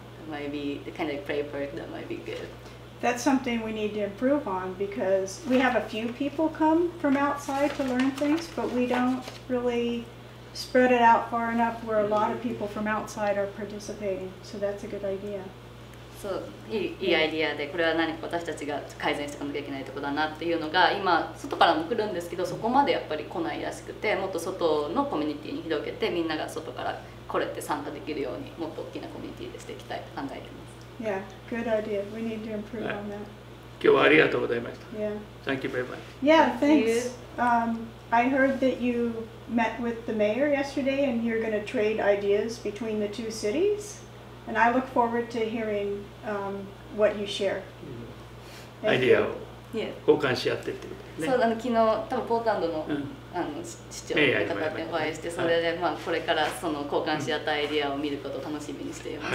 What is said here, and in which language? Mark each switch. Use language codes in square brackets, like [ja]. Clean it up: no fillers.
[en] Maybe the kind of play park that might be good. That's something we need to improve on, because we have a few people come from outside to learn things, but we don't really spread it out far enough where a lot of people from outside are participating. So that's a good idea. [ja] そう、いいアイディアで、これは何か私たちが改善していかなきゃいけないところだなっていうのが、今外からも来るんですけど、そこまでやっぱり来ないらしくて、もっと外のコミュニティに広げて、みんなが外から来れて参加できるように、もっと大きなコミュニティでしていきたいと考えています。 [en] Yeah, good idea. We need to improve on that. [ja] 今日はありがとうございました。 [en] Yeah. Thank you very much. Yeah, thanks. I heard that you met with the mayor yesterday and you're going to trade ideas between the two cities. And I look forward to hearing what you share. [ja] アイデアを交換し合ってってことね。そう、あの昨日多分ポートランドの、あの市長の方にお会いして、それで、まあ、これからその交換し合ったアイデアを見ることを楽しみにしています。